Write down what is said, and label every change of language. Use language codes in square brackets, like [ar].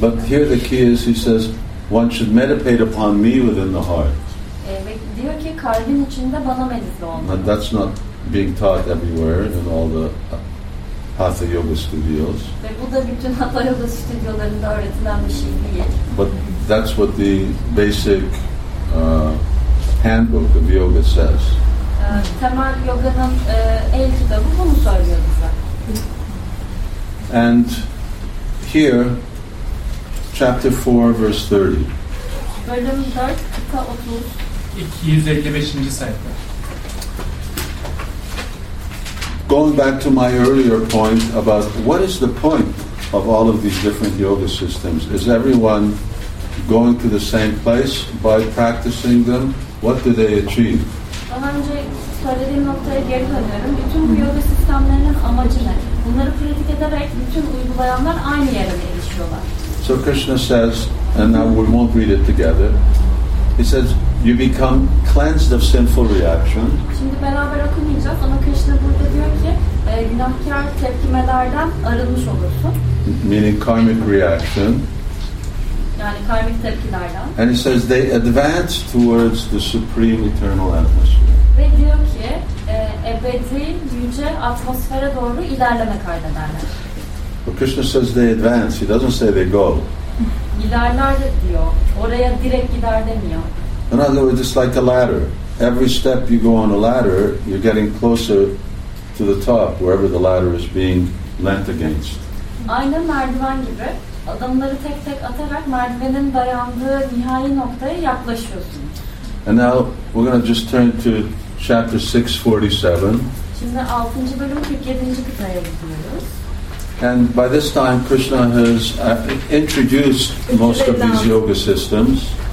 [en] But here the key is, he says, one should meditate upon me within the heart. [tr] Diyor ki kalbin içinde bana medite olmalı. [en] And that's not being taught everywhere in all the Hatha Yoga studios. [tr] Ve bu da bütün Hatha Yoga stüdyolarında öğretilen bir şey değil. [en] But that's what the basic handbook of yoga says. [tr] Temel yoganın el kitabı bunu söylüyor bize. [en] And here, chapter 4, verse 30. [tr] Bölüm 4, kıta 30. 255. sayfa. [en] Going back to my earlier point about what is the point of all of these different yoga systems? Is everyone going to the same place by practicing them? What do they achieve? [tr] Daha önce söylediğim noktaya geri dönüyorum. Bütün bu yoga sistemlerinin amacı ne? Bunları pratik ederek bütün uygulayanlar aynı yere erişiyorlar. [en] So Krishna says, and now we won't read it together. He says, you become cleansed of sinful reaction. [tr] Şimdi beraber okumayacağız ama Krishna burada diyor ki günahkar tepkimelerden arınmış olursun. [en] Meaning karmic reaction. [tr] Yani karmic tepkilerden. [en] And he says they advance towards the supreme eternal atmosphere. [tr] Ve diyor ki ebedi yüce atmosfere doğru ilerleme kaydederler. [en] But Krishna says they advance. He doesn't say they go. [tr] İlerler diyor. Oraya direkt gider demiyor. [en] In other words, it's like a ladder. Every step you go on a ladder, you're getting closer to the top, wherever the ladder is being leant against. [tr] Aynı merdiven gibi, adımları tek tek atarak merdivenin dayandığı nihai noktaya yaklaşıyorsun. [en] And now we're going to just turn to chapter 647. [tr] Şimdi 6. bölüm 47. kıtaya gidiyoruz. [en] And by this time, Krishna has introduced most of these yoga systems.